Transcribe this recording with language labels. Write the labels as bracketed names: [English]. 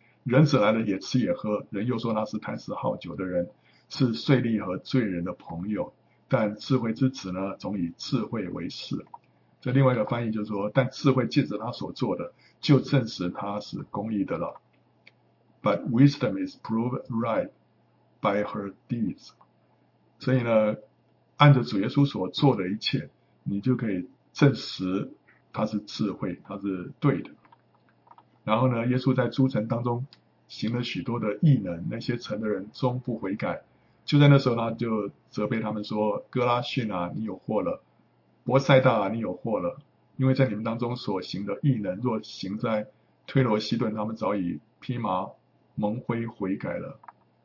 [Chinese] 人子来了也吃也喝，人又说他是贪食好酒的人，是税吏和罪人的朋友。但智慧之子呢，总以智慧为事。这另外一个翻译就是说，但智慧借着他所做的，就证实他是公义的了。 [English] But wisdom is proved right by her deeds。 [Chinese] 所以呢，按着主耶稣所做的一切，你就可以证实他是智慧，他是对的。然后呢，耶稣在诸城当中行了许多的异能，那些城的人终不悔改。就在那时候，他就责备他们说：“哥拉逊啊，你有祸了；伯塞大啊，你有祸了，因为在你们当中所行的异能，若行在推罗、西顿，他们早已披麻蒙灰悔改了。”